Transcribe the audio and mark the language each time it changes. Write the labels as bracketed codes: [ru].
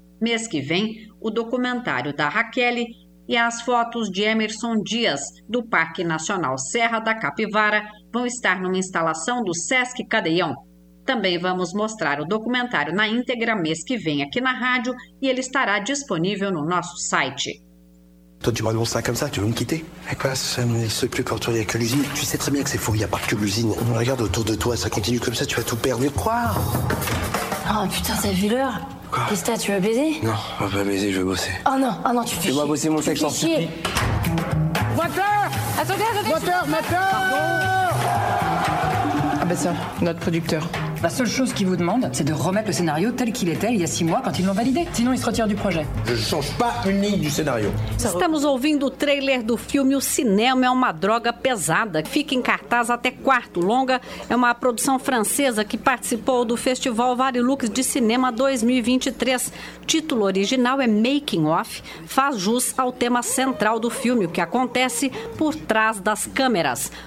[pt] Mês que vem, o documentário da Raquel e as fotos de Emerson Dias, do Parque Nacional Serra da Capivara, vão estar numa instalação do Sesc Cadeião. Também vamos mostrar o documentário na íntegra mês que vem aqui na rádio e ele estará disponível no nosso site. [fr] Toi, tu vas me montrer comme ça, tu veux me quitter? Et quoi, ça me laisse plus quand tu es avec l'usine? Tu sais très bien que c'est faux, il n'y a pas que l'usine. On regarde autour de toi, ça continue comme ça, tu vas tout perdre. Quoi? Oh putain, t'as vu l'heure? Quoi? Qu'est-ce que t'as, tu veux baiser? Non, on va pas baiser, je veux bosser. Oh non, tu fais chier. Fais-moi bosser mon sexe en supplie. Moteur! Attendez. Moteur, moteur! Ah ben ça, notre producteur. La seule chose qu'il vous demande, c'est de remettre le scénario tel qu'il était il y a 6 mois quand ils l'ont validé. Sinon, il se retire du projet. Je ne change pas une ligne du scénario. [pt] Estamos ouvindo o trailer do filme O Cinema é uma Droga Pesada. Fica em cartaz até quarto. Longa é uma produção francesa que participou do Festival Varilux de Cinema 2023. Título original é Making Off. Faz jus ao tema central do filme, o que acontece por trás das câmeras.